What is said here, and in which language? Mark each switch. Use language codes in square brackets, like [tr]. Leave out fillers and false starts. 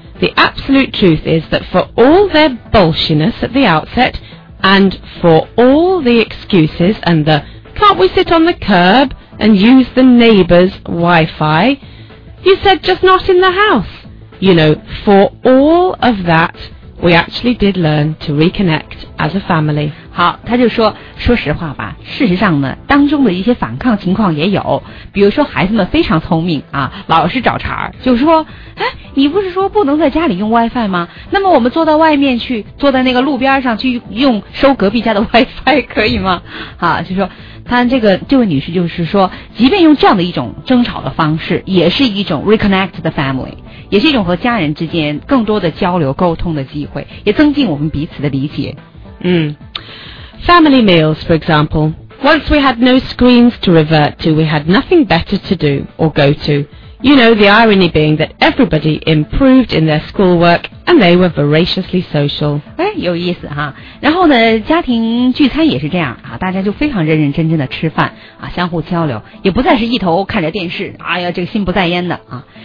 [en] The absolute truth is that for all their bullshiness at the outset, and for all the excuses and the "can't we sit on the curb and use the neighbor's Wi-Fi?" you said just not in the house. You know, for all of that, we actually did learn to reconnect as a family. [zh] 好，他就说，说实话吧，事实上呢，当中的一些反抗情况也有，比如说孩子们非常聪明啊，老是找茬，就说，哎，你不是说不能在家里用 WiFi 吗？那么我们坐到外面去，坐在那个路边上去用收隔壁家的 WiFi 可以吗？好，就说。他这个这位女士就是说，即便用这样的一种争吵的方式，也是一种 [en] reconnect the family， [zh] 也是一种和家人之间更多的交流沟通的机会，也增进我们彼此的理解。 [en] 嗯， family meals, for example, once we had no screens to revert to, we had nothing better to do or go to. You know, the irony being that everybody improved in their schoolwork and they were voraciously social. [zh] 有意思哈，然后呢，家庭聚餐也是这样啊，大家就非常认认真真的吃饭啊，相互交流，也不再是一头看着电视，哎呀，这个心不在焉的啊。